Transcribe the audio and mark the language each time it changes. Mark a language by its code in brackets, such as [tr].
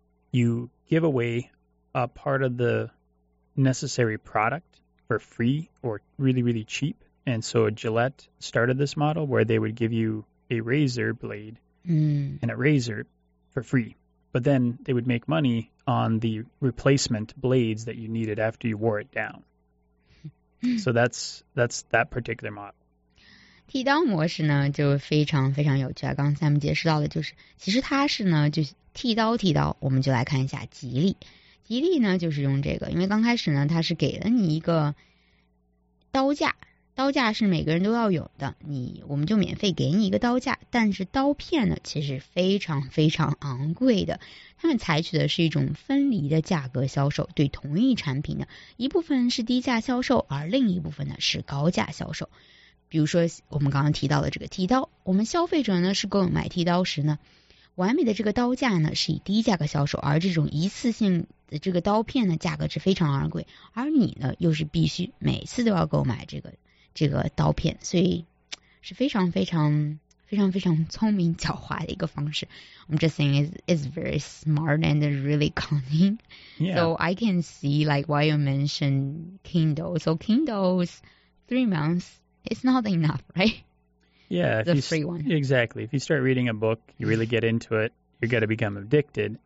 [en] You give away a part of the necessary product for free or really, really cheap. And so Gillette started this model where they would give you a razor blade and a razor for free. But then they would make money on the replacement blades that you needed after you wore it down. So that's that particular model. [zh] 剃刀模式呢就非常非常有趣啊，刚才我们解释到的就是其实它是呢就剃刀，我们就来看一下吉利呢就是用这个，因为刚开始呢它是给了你一个刀架是每个人都要有的，我们就免费给你一个刀架，但是刀片呢其实非常非常昂贵的，他们采取的是一种分离的价格销售，对同一产品的一部分是低价销售，而另一部分呢是高价销售。比如说我们刚刚提到的这个剃刀，我们消费者呢是购买剃刀时呢完美的这个刀架呢是以低价格销售，而这种一次性的这个刀片呢价格是非常昂贵，而你呢又是必须每次都要购买这个刀片，所以是非常非常非常非常聪明狡猾的一个方式。 [en] I'm just saying it's very smart and really cunning、 yeah. So I can see like why you mentioned Kindle. So Kindle's 3 months,It's not enough, right? Yeah. The free one. Exactly. If you start reading a book, you really get into it, you're going to become addicted.